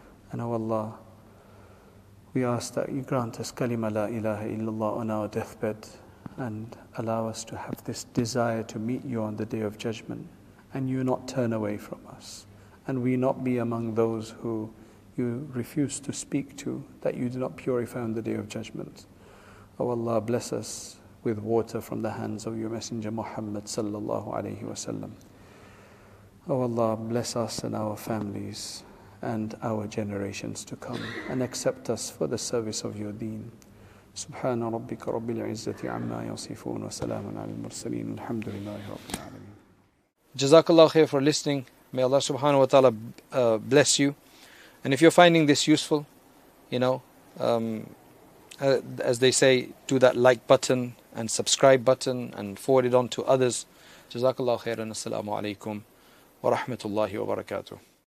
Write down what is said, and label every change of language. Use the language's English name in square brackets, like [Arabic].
[English] And oh Allah, we ask that you grant us kalima la ilaha illallah on our deathbed and allow us to have this desire to meet you on the day of judgment and you not turn away from us and we not be among those who you refuse to speak to, that you do not purify on the day of judgment. Oh Allah, bless us with water from the hands of your messenger Muhammad sallallahu alayhi wa sallam. Oh Allah, bless us and our families and our generations to come and accept us for the service of your deen. [Arabic] سبحان ربك رب العزة عما يصفون وسلام على المرسلين الحمد لله رب العالمين. [English] Jazakallah khair for listening. May Allah subhanahu wa ta'ala bless you. And if you're finding this useful, you know, as they say, do that like button and subscribe button and forward it on to others. Jazakallah khair and assalamu alaikum wa rahmatullahi wa barakatuh.